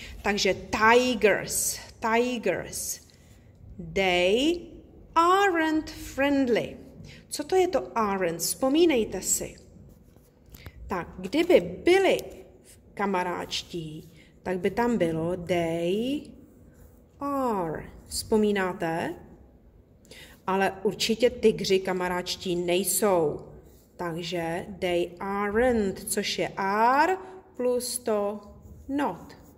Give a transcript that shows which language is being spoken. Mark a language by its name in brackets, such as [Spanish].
[English] Takže tigers, they aren't friendly. [Czech] Co to je to [English] aren't? [Czech] Vzpomínejte si. Tak, kdyby byli kamaráčtí, tak by tam bylo [English] they are. [Czech] Vzpomínáte? Ale určitě tygři kamaráčtí nejsou. Takže [English] they aren't, [Czech] což je are plus to not.